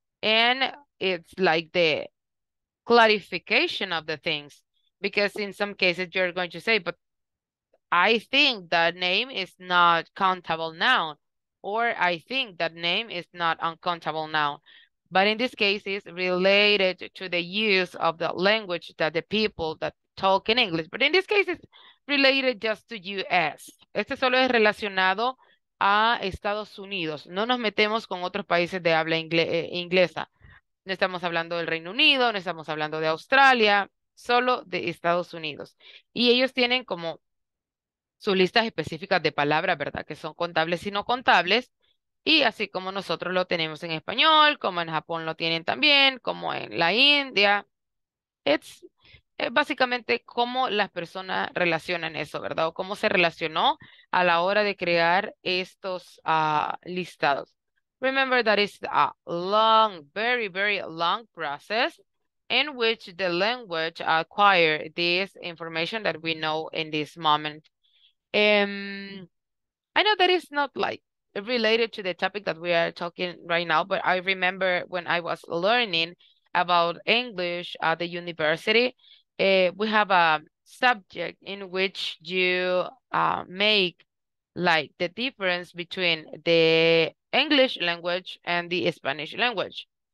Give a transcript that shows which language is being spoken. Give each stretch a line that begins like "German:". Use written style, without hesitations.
English: And it's like the clarification of the things, because in some cases you're going to say, but I think that name is not countable noun, or I think that name is not uncountable noun. But in this case, it's related to the use of the language that the people that talk in English. But in this case, it's related just to US.
Spanish: Este solo es relacionado a Estados Unidos. No nos metemos con otros países de habla inglesa. No estamos hablando del Reino Unido, no estamos hablando de Australia, solo de Estados Unidos. Y ellos tienen como sus listas específicas de palabras, ¿verdad? Que son contables y no contables. Y así como nosotros lo tenemos en español, como en Japón lo tienen también, como en la India. Es básicamente cómo las personas relacionan eso, ¿verdad? O cómo se relacionó a la hora de crear estos listados.
English: Remember that is a long, very, very long process in which the language acquired this information that we know in this moment. I know that it's not like related to the topic that we are talking right now, but I remember when I was learning about English at the university, we have a subject in which you make like the difference between the English language and the Spanish language.